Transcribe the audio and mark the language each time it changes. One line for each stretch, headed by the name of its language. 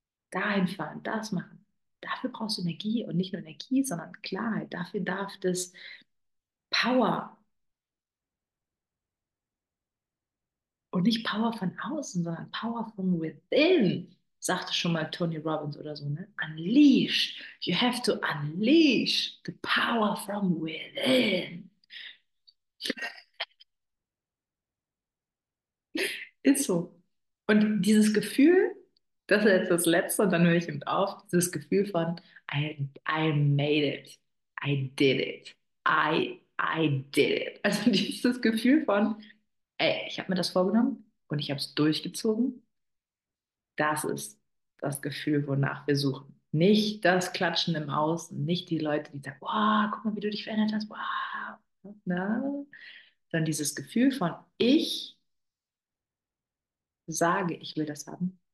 German: Dahin fahren, das machen. Dafür brauchst du Energie und nicht nur Energie, sondern Klarheit. Dafür darf das Power. Und nicht Power von außen, sondern
English: Power from within,
German: sagte schon mal Tony Robbins oder so, ne?
English: Unleash. You have to unleash the power from within.
German: Ist so. Und dieses Gefühl. Das ist jetzt das Letzte und dann höre ich eben auf. Dieses Gefühl von
English: I made it. I did it. I did it.
German: Also dieses Gefühl von, ey, ich habe mir das vorgenommen und ich habe es durchgezogen. Das ist das Gefühl, wonach wir suchen. Nicht das Klatschen im Außen, nicht die Leute, die sagen, wow, guck mal, wie du dich verändert hast. Wow. Na? Sondern dieses Gefühl von, ich sage, ich will das haben.